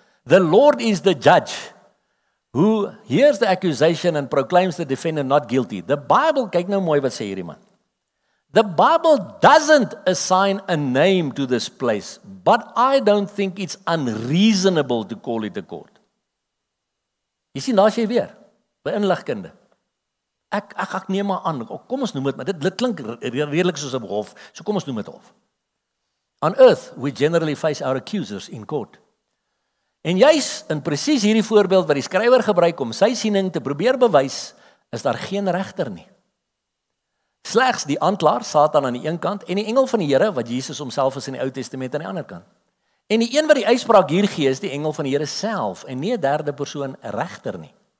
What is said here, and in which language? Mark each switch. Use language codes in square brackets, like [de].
[en] The Lord is the judge, who hears the accusation and proclaims the defendant not guilty. The Bible, [af] kyk nou mooi wat sê hierdie man. [en] The Bible doesn't assign a name to this place, but I don't think it's unreasonable to call it a court. [af] Jy sien, daar is jy weer, by inligkunde. Ek neem maar aan, kom ons noem het, maar dit klink redelijk soos 'n hof, so kom ons noem het hof. [en] On earth, we generally face our accusers in court. [af] En juist in precies hierdie voorbeeld wat die skrywer gebruik om sy siening te probeer bewys, is daar geen regter nie. Slegs die antlaar, Satan aan die een kant, en die engel van die Here wat Jesus homself is in die Ou Testament aan die ander kant. En die een wat die uitspraak hier gee, is die engel van die Here self, en nie 'n derde persoon regter nie.